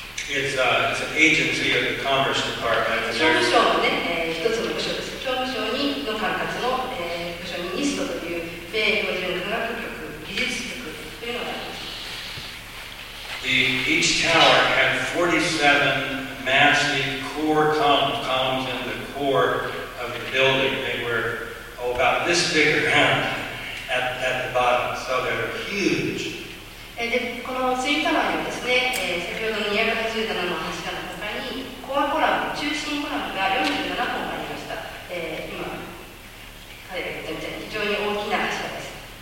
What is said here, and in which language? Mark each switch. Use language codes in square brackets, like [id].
[en] It's an agency of the Commerce Department. [ja] 商務省のね、一つの部署です。商務省にの管轄の、部署に NIST という米標準科学局、技術局というのがあります。 [en] Each tower had 47 massive core columns in the core of the building. They were about this big around at the bottom, so they were huge. [ja] でこのツインタワーにはですね、先ほどの287の柱の他にコアコラム、中心コラムが47本ありました、今彼が言ったみたいに非常に大きな柱です。